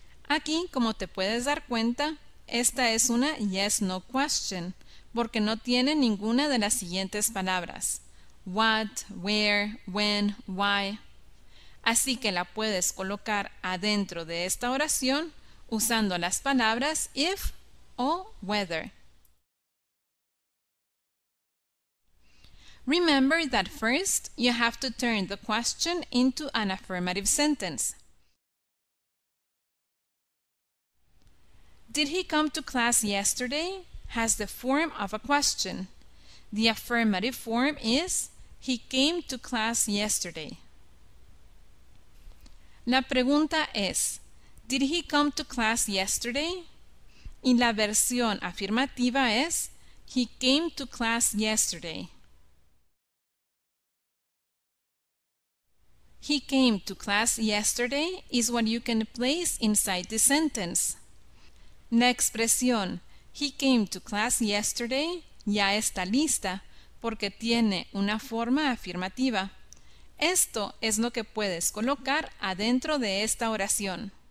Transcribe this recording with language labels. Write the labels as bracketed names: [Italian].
[Spanish] Aquí, como te puedes dar cuenta, esta es una yes-no question, porque no tiene ninguna de las siguientes palabras. [English] What, where, when, why. [Spanish] Así que la puedes colocar adentro de esta oración usando las palabras if o whether. [English] Remember that first you have to turn the question into an affirmative sentence. Did he come to class yesterday? Has the form of a question. The affirmative form is he came to class yesterday. [Spanish] La pregunta es, [English] did he come to class yesterday? [Spanish] Y la versión afirmativa es, [English] he came to class yesterday. He came to class yesterday is what you can place inside the sentence. [Spanish] La expresión [English] he came to class yesterday [Spanish] ya está lista porque tiene una forma afirmativa. Esto es lo que puedes colocar adentro de esta oración.